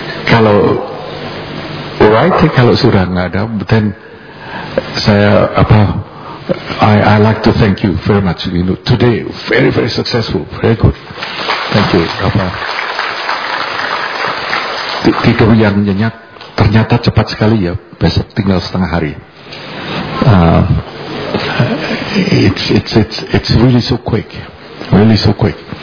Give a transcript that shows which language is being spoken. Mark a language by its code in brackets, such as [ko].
[id] Kalau alright, kalau sudah nggak ada, then saya apa? [en] I like to thank you very much. You know, today very very successful, very good. Thank you. [id] Apa tidur yang nyenyak ternyata cepat sekali ya. Besok tinggal setengah hari. [en] It's really so quick, really so quick.